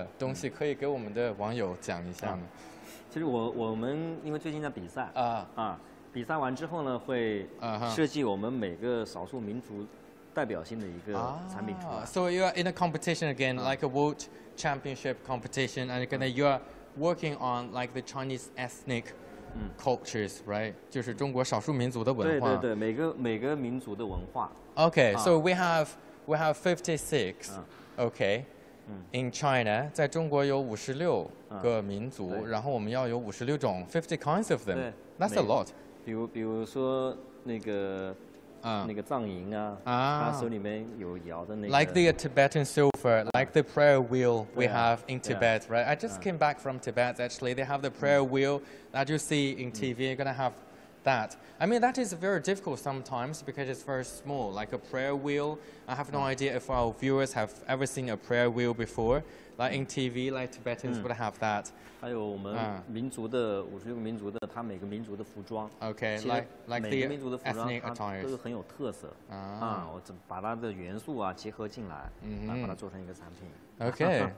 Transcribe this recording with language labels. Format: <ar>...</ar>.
<zh>他说我们现在有没有新的准备想设计出来的东西可以给我们的网友讲一下呢? 其实我们因为最近在比赛, 比赛完之后呢,会设计我们每个少数民族代表性的一个产品出来。</zh> <en>So you are in a competition again, like a world championship competition, and you are working on like the Chinese ethnic cultures, right?</en> <zh>就是中国少数民族的文化。对,每个民族的文化。</zh> <en>Okay, so we have 56, okay, in China,</en> <zh>在中国有56个民族, 然后我们要有56种,</zh> <en>50 kinds of them, that's a lot.</en> <zh>比如说那个藏银啊,他手里面有摇的那个...</zh> <en>Like the Tibetan silver, like the prayer wheel we have in Tibet, right? I just came back from Tibet, actually. They have the prayer wheel that you see in TV. You're going to have that. I mean, that is very difficult sometimes because it's very small, like a prayer wheel. I have no idea if our viewers have ever seen a prayer wheel before. Like in TV, like Tibetans would have that.</en> <zh>还有我们民族的，我是一个民族的，他每个民族的服装。</zh> <en>Okay, like the ethnic attires.</en> <zh>都是很有特色。把它的元素结合进来，把它做成一个产品。Okay,</zh>